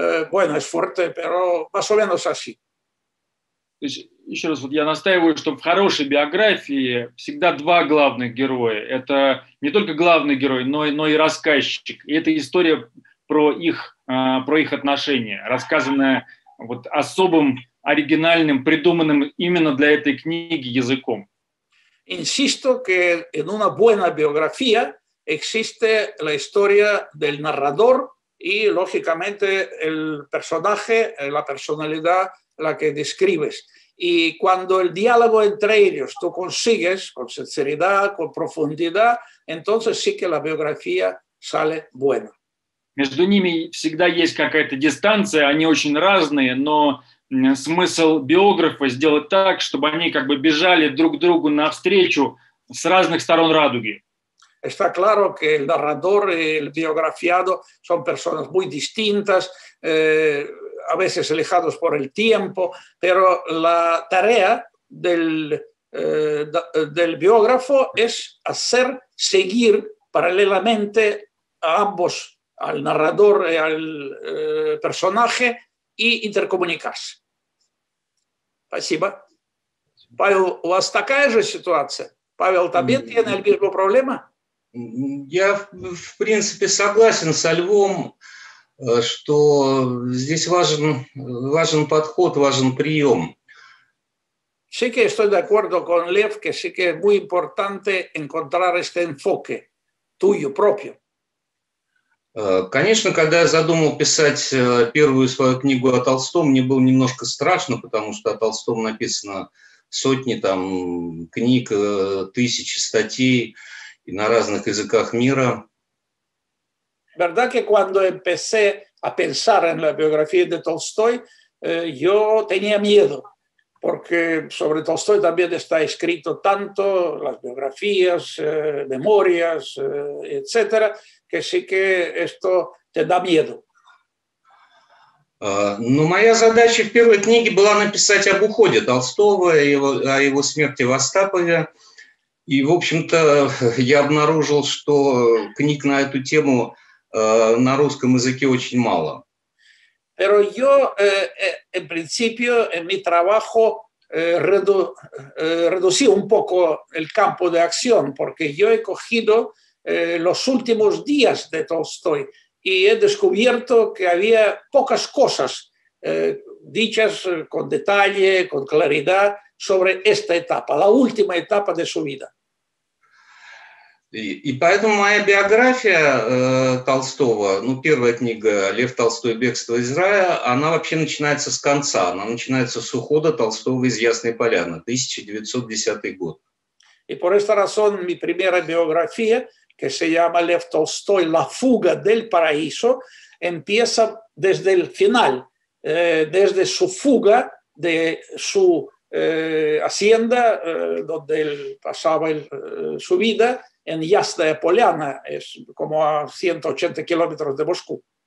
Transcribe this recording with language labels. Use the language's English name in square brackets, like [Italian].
[Spanish] Bueno, es fuerte, pero más o menos así. [Russian] Еще раз, вот я настаиваю, что в хорошей биографии всегда два главных героя. Это не только главный герой, но и рассказчик. И это история про их отношения, рассказанная вот особым, оригинальным, придуманным именно для этой книги языком. [Spanish] Insisto que en una buena biografía existe la historia del narrador y, lógicamente, el personaje, la personalidad, la que describes. Y cuando el diálogo entre ellos tú consigues con sinceridad, con profundidad, entonces sí que la biografía sale buena. [Russian] Между ними всегда есть какая-то дистанция, они очень разные, но смысл биографа сделать так, чтобы они как бы бежали друг к другу навстречу с разных сторон радуги. [Spanish] Está claro que el narrador y el biografiado son personas muy distintas, a veces alejados por el tiempo, pero la tarea del biógrafo es hacer seguir paralelamente a ambos, al narrador y al personaje, y intercomunicarse. [Russian] Спасибо. Павел, у вас такая же ситуация? Павел, [Spanish] ¿también tiene el mismo problema? [Russian] Я, в принципе, согласен со Львом, что здесь важен подход, важен прием. [Spanish] Sí que estoy de acuerdo con Lev, que sí que es muy importante encontrar este enfoque tuyo propio. [Russian] Конечно, когда я задумал писать первую свою книгу о Толстом, мне было немножко страшно, потому что о Толстом написано сотни там книг, тысячи статей и на разных языках мира. [Spanish] Verdad que cuando empecé a pensar en la biografía de Tolstoy, yo tenía miedo, porque sobre Tolstoy también está escrito tanto, las biografías, memorias, etc., que sí que esto te da miedo. [Russian] Но моя задача в первой книге была написать об уходе Толстого, о его смерти в Остапове. И, в общем-то, я обнаружил, что книг на эту тему на русском языке очень мало. [Spanish] Pero yo, en principio, en mi trabajo, reducí un poco el campo de acción, porque yo he cogido los últimos días de Tolstoy y he descubierto que había pocas cosas dichas con detalle, con claridad, sobre esta etapa, la última etapa de su vida. [Russian] И поэтому моя биография Толстого, ну, первая книга «Лев Толстой. Бегство из рая», она вообще начинается с конца, она начинается с ухода Толстого из Ясной Поляны, 1910 год. [Spanish] И por esta razón mi primera biografía, que se llama «Лев Толстой. La fuga del paraíso», empieza desde el final, desde su fuga de su hacienda, donde él pasaba su vida, en Ясная Поляна, es como a 180 kilómetros de Moscú.